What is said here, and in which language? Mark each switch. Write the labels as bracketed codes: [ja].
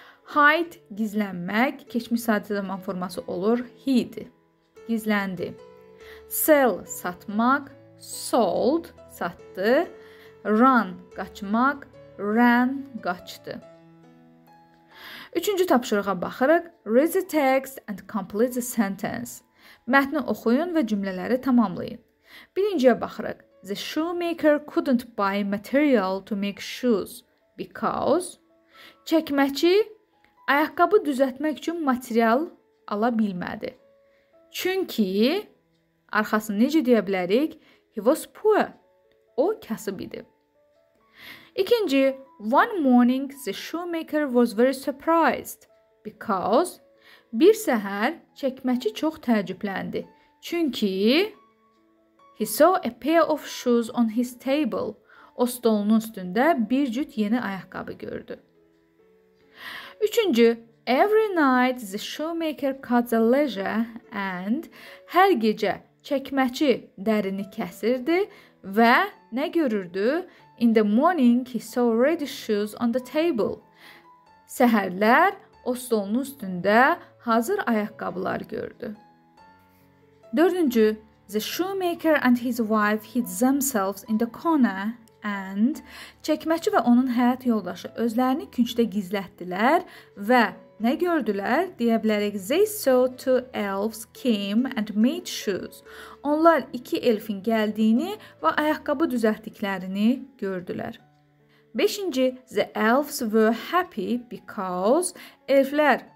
[az] Hide, gizlənmək, keçmiş sadə zaman forması olur, hid, gizləndi. Sell, satmaq, sold, satdı. Run, qaçmaq, ran, qaçdı. Üçüncü tapşırığa baxırıq. [en] Read the text and complete the sentence. [az] Mətni oxuyun və cümlələri tamamlayın. Birinciyə baxırıq. [en] The shoemaker couldn't buy material to make shoes because... [az] Çəkməçi... Ayaqqabı düzəltmək üçün material ala bilmədi. Çünki, arxasını necə deyə bilərik? [en] He was poor. [az] O, kasıb idi. [en] İkinci, one morning the shoemaker was very surprised because [az] bir səhər çəkməçi çox təəccübləndi. [en] Çünki, he saw a pair of shoes on his table. [az] O, stolunun üstündə bir cüt yeni ayaqqabı gördü. Üçüncü, [en] every night the shoemaker cut the leather and [az] hər gecə çəkməçi dərini kəsirdi və nə görürdü? [en] In the morning he saw red shoes on the table. [az] Səhərlər o stolunun üstündə hazır ayaqqabılar gördü. [en] Dördüncü, the shoemaker and his wife hid themselves in the corner. [az] And çəkməçi və onun həyat yoldaşı özlərini küncdə gizlətdilər və nə gördülər? Deyə bilərik, [en] they saw two elves came and made shoes. [az] Onlar iki elfin gəldiyini və ayaqqabı düzəltdiklərini gördülər. [en] Beşinci, the elves were happy because elflər